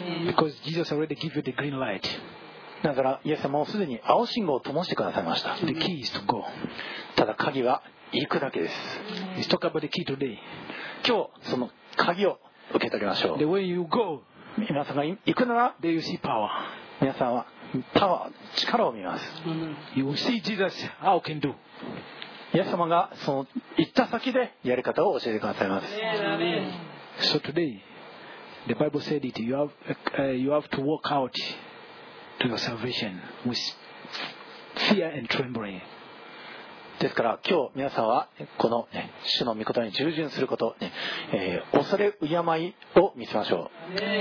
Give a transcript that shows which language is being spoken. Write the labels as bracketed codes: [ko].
[en] Because Jesus already gave you the green light. [ja] だからイエス様はすでに青信号を灯してくださいました。 [en] The key is to go. [ja] ただ鍵は行くだけです。 [en] Let's talk about the key today. [ja] 今日その鍵を受け取りましょう。 [en] The way you go, [ja] 皆さんが行くなら [en] There you see power. [ja] 皆さんはパワー、力を見ます。 [en] You will see Jesus how can do [ja] イエス様がその行った先でやり方を教えてくださいます。 [en] So today, the Bible said it. You have to walk out to your salvation with fear and trembling. [ja] ですから今日皆さんはこの、ね、主の御言葉に従順すること、ね、恐れ敬いを見せましょう。